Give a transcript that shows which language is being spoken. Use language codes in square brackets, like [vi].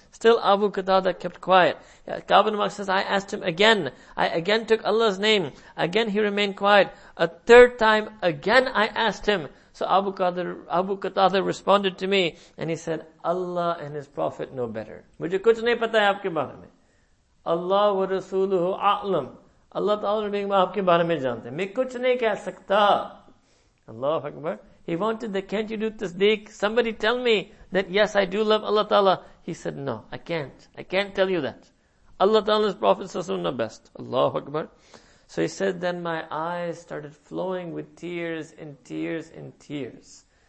[en] Still, Abu Qatada kept quiet. Qabil Malik says, I asked him again. I again took Allah's name. Again, he remained quiet. A third time, again, I asked him. So Abu Qatada responded to me and he said, Allah and His Prophet know better. [ur] مجھے کچھ نہیں پتا ہے آپ کے بارے میں۔ [ar] Allah wa Rasuluhu a'lam. [ur] اللہ تعالیٰ being آپ کے بارے میں جانتے۔ میں کچھ نہیں کہہ سکتا۔ [ar] Allahu Akbar. [en] He wanted that, can't you do tasdeek? Somebody tell me that yes, I do love Allah Ta'ala. He said, no, I can't. I can't tell you that. Allah Ta'ala's Prophet Sallallahu Alaihi Wasallam best. Allahu Akbar. So he said, then my eyes started flowing with tears and tears and tears.